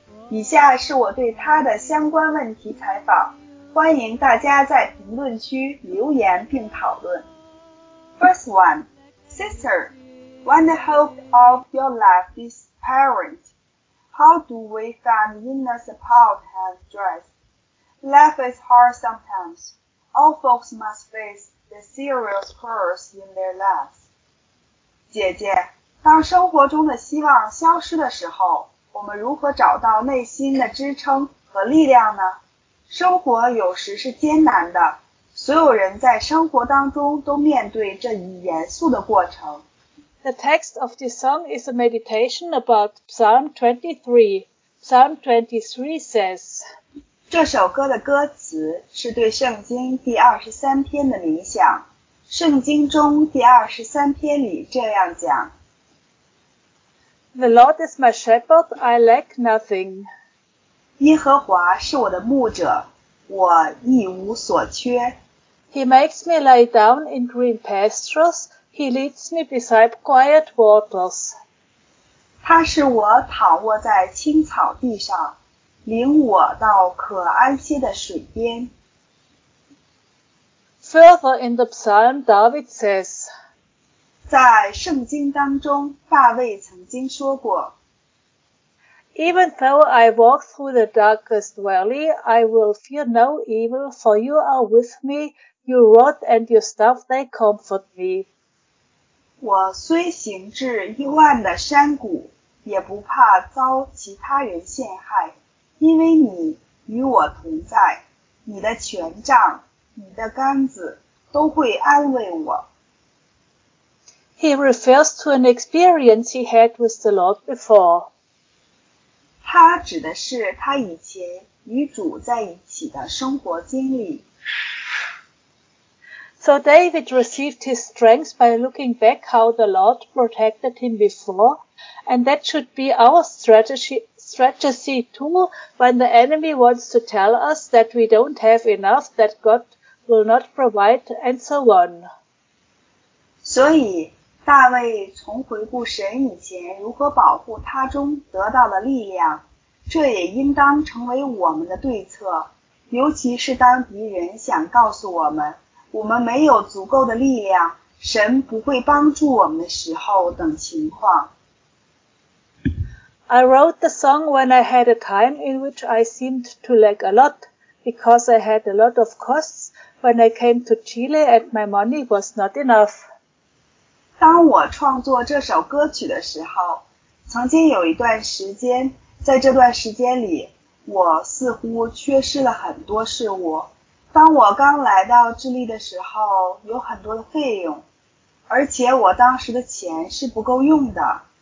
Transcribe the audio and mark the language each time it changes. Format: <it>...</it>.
<zh>以下是我对他的相关问题采访，欢迎大家在评论区留言并讨论。</zh> <en>First one, Sister, when the hope of your life is apparent, how do we find inner support and strength? Life is hard sometimes. All folks must face the serious curse in their lives.</en> <zh>姐姐，当生活中的希望消失的时候，我们如何找到内心的支撑和力量呢？生活有时是艰难的，所有人在生活当中都面对这一严肃的过程。</zh> <en>The text of this song is a meditation about Psalm 23. Psalm 23 says...</en> <zh>这首歌的歌词是对圣经第23篇的冥想。圣经中第23篇里这样讲。</zh> <en>The Lord is my shepherd, I lack nothing.</en> <zh>耶和华是我的牧者，我一无所缺。</zh> <en>He makes me lay down in green pastures, he leads me beside quiet waters.</en> <zh>他使我躺卧在青草地上。领我到可安歇的水边。</zh> <en>Further in the psalm, David says,</en> <zh>在圣经当中，大卫曾经说过，</zh> <en>Even though I walk through the darkest valley, I will fear no evil, for you are with me, your rod and your staff, they comfort me.</en> <zh>我虽行至幽暗的山谷，也不怕遭其他人陷害。因为你与我同在，你的权杖、你的杆子都会安慰我。</zh> <en>He refers to an experience he had with the Lord before.</en> <zh>他指的是他以前与主在一起的生活经历。</zh> <en>So David received his strength by looking back how the Lord protected him before, and that should be our strategy too when the enemy wants to tell us that we don't have enough, that God will not provide, and so on.</en> <zh>所以大卫从回顾神以前如何保护他中得到的力量，这也应当成为我们的对策，尤其是当敌人想告诉我们我们没有足够的力量，神不会帮助我们的时候等情况。</zh> <en>I wrote the song when I had a time in which I seemed to lack a lot, because I had a lot of costs when I came to Chile and my money was not enough.</en> <zh>当我创作这首歌曲的时候，曾经有一段时间，在这段时间里，我似乎缺失了很多事物。当我刚来到智利的时候，有很多的费用，而且我当时的钱是不够用的。</zh>